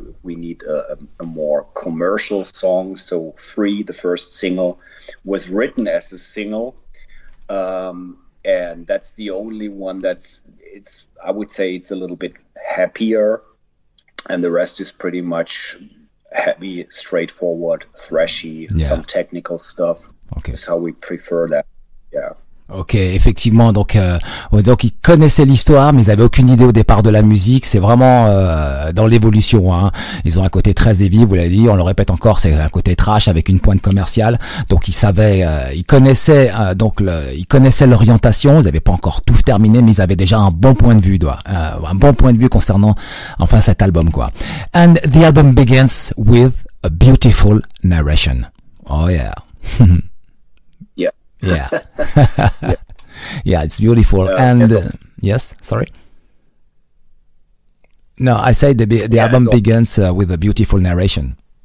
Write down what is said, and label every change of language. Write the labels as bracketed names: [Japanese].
[English] We need a more commercial song. So Free, the first single, was written as a single. And that's the only one I would say it's a little bit happier, and the rest is pretty much heavy, straightforward, thrashy, some technical stuff. Okay. Is how we prefer that. Yeah. [French] Ok, effectivement, donc ils connaissaient l'histoire, mais ils avaient aucune idée au départ de la musique. C'est vraiment dans l'évolution. Hein. Ils ont un côté très heavy, vous l'avez dit. On le répète encore, c'est un côté trash avec une pointe commerciale. Donc ils savaient, ils connaissaient l'orientation. Ils n'avaient pas encore tout terminé, mais ils avaient déjà un bon point de vue, un bon point de vue concernant enfin cet album, quoi. [English] And the album begins with a beautiful narration. Oh yeah. Yeah. Yeah, it's beautiful. Album begins with a beautiful narration.